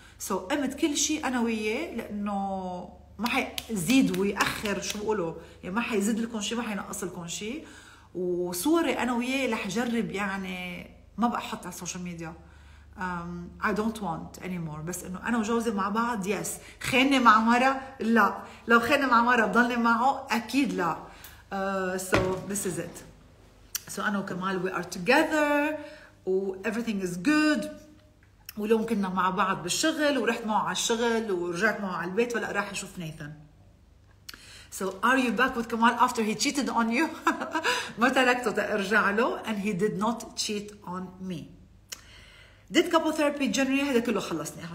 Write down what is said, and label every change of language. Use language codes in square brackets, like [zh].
[ar] سو قمت كل شيء أنا وياه، لأنه ما حيزيد ويأخر، شو بقوله يعني ما حيزيد لكم شيء، ما حينقص لكم شيء، وصوري أنا وياه رح جرب يعني ما بقى حط على السوشيال ميديا. [en] I don't want anymore. [ar] بس إنه أنا وجوزي مع بعض yes. خينة مع مرة لا، لو خينة مع مرة بضلني معه أكيد لا. [en] So this is it. So أنا وكمال we are together و everything is good. [ar] ولو كنا مع بعض بالشغل ورحت معه على الشغل ورجعت معه على البيت، ولا راح أشوف نيثان. [en] So are you back with Kamal after he cheated on you؟ [ar] ما تركته ترجع له. [en] And he did not cheat on me. Did couple therapy generally؟ [ar] هذا كله خلصناها.